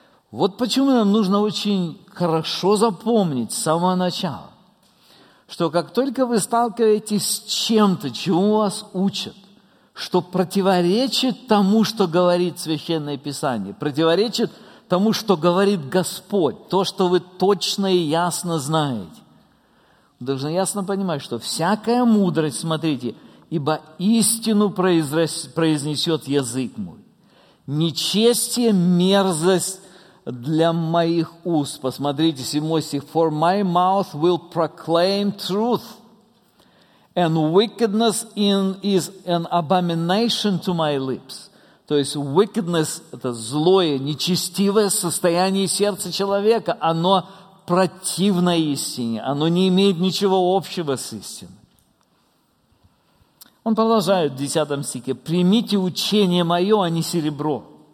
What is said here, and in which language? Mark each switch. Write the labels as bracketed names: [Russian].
[Russian] Вот почему нам нужно очень хорошо запомнить с самого начала, что как только вы сталкиваетесь с чем-то, чему вас учат, что противоречит тому, что говорит Священное Писание, противоречит тому, что говорит Господь, то, что вы точно и ясно знаете. Вы должны ясно понимать, что всякая мудрость, смотрите, ибо истину произнесет язык мой. Нечестие – мерзость для моих уст. Посмотрите, 7 стих. [English] For my mouth will proclaim truth, and wickedness is an abomination to my lips. [Russian] То есть wickedness – это злое, нечестивое состояние сердца человека. Оно противно истине. Оно не имеет ничего общего с истиной. Он продолжает в 10 стихе. «Примите учение мое, а не серебро.